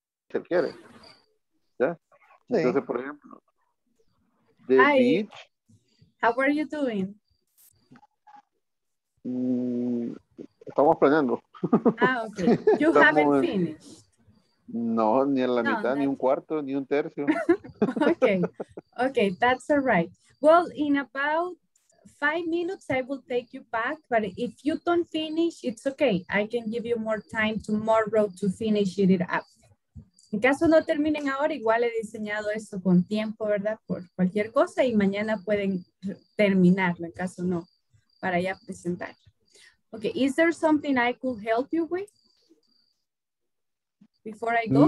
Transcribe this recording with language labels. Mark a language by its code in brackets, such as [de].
[es] ¿Se quiere? ¿Ya? Sí. Entonces, por ejemplo, [en] the beach. How are you doing? [es] Estamos planeando. [en] Ah, okay. You haven't finished. [es] No, ni en la mitad, ni un cuarto, ni un tercio. [en] Okay, that's all right. Well, in about 5 minutes, I will take you back. But if you don't finish, it's okay. I can give you more time tomorrow to finish it up. [es] En caso no terminen ahora, igual he diseñado eso con tiempo, ¿verdad? Por cualquier cosa y mañana pueden terminarlo, en caso no. Para ya presentar. [en] Okay, is there something I could help you with before I go?